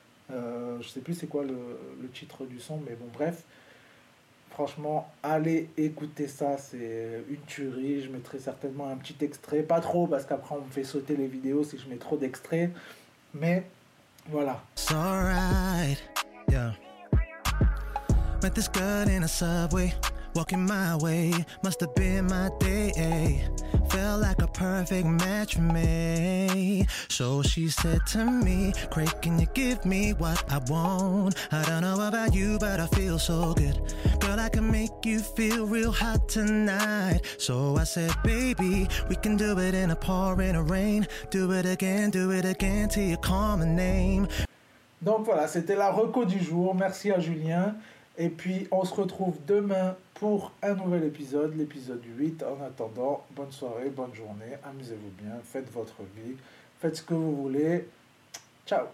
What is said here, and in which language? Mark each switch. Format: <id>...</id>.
<fr>Je sais plus c'est quoi le titre du son, mais bon, bref. Franchement, allez écouter ça, c'est une tuerie. Je mettrai certainement un petit extrait, pas trop, parce qu'après on me fait sauter les vidéos si je mets trop d'extraits, mais voilà.</fr> <en>It's alright, yeah. Met this girl in a subway, walking my way, must have been my day. Felt like a perfect match for me. So she said to me, Craig, can you give me what I want? I don't know about you, but I feel so good. Girl, I can make you feel real hot tonight. So I said, baby, we can do it in a pouring rain. Do it again till you call my name.</en> <fr>Donc voilà, c'était la reco du jour. Merci à Julien. Et puis, on se retrouve demain pour un nouvel épisode, l'épisode 8. En attendant, bonne soirée, bonne journée, amusez-vous bien, faites votre vie, faites ce que vous voulez. Ciao!</fr>